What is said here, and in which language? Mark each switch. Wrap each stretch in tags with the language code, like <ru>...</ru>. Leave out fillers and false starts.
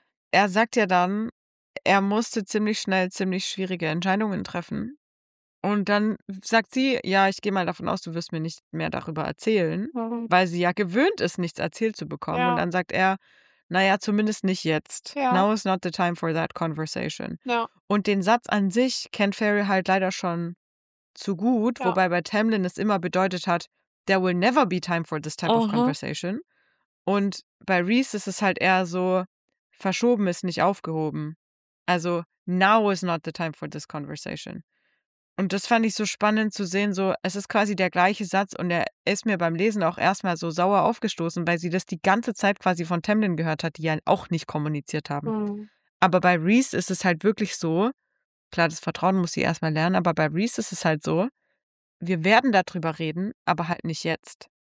<de>Er sagt ja dann, er musste ziemlich schnell ziemlich schwierige Entscheidungen treffen. Und dann sagt sie, ja, ich gehe mal davon aus, du wirst mir nicht mehr darüber erzählen, weil sie ja gewöhnt ist, nichts erzählt zu bekommen. Und dann sagt er, naja, zumindest nicht jetzt. Ja.</de> <en>Now is not the time for that conversation.</en> <de>Ja. Und den Satz an sich kennt Farrah halt leider schon zu gut, wobei bei Tamlin es immer bedeutet hat,</de> <en>there will never be time for this type of conversation.</en> <de>Und bei Reese ist es halt eher so, verschoben ist nicht aufgehoben. Also,</de> <en>now is not the time for this conversation.</en> <de>Und das fand ich so spannend zu sehen, so, es ist quasi der gleiche Satz und er ist mir beim Lesen auch erstmal so sauer aufgestoßen, weil sie das die ganze Zeit quasi von Tamlin gehört hat, die ja auch nicht kommuniziert haben. Mhm. Aber bei Reese ist es halt wirklich so, klar, das Vertrauen muss sie erstmal lernen, aber bei Reese ist es halt so, wir werden darüber reden, aber halt nicht jetzt.</de>